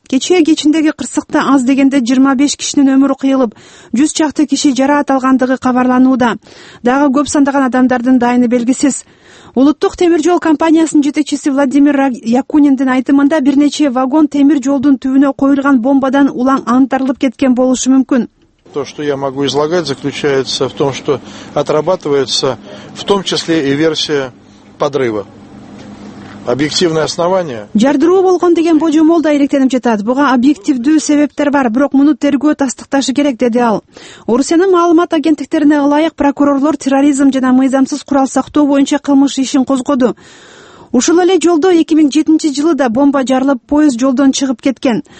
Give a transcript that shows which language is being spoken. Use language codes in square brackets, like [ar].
[ky] Кечээ кечиндеги кырсыкта аз дегенде 25 кишинин өмүрү кыйылып, 100 чакты киши жараат алгандыгы кабарланууда. Дагы көп сандаган адамдардын дайыны белгисиз. Улуттук темир жол компаниясынын жетекчиси Владимир Якуниндин айтымында бир нече вагон темир жолдун түбүнө коюлган бомбадан улан антарылып кеткен болушу мүмкүн. [ru] То, что я могу излагать, заключается в том, что отрабатывается в том числе и версия подрыва. Объективное основание. [ky] Жардыруу болгон деген божомол да иректенип жатат. Буга объективдүү себептер бар, бирок муну тергөө тастыкташы керек, деди ал. Орусиянын маалымат агенттиктерине ылайык прокурорлор терроризм жана мыйзамсыз курал сактоо боюнча кылмыш ишин козгоду. Ушул эле жолдо 2007 жылы да бомба жарылып, поезд жолдон чыгып кеткен.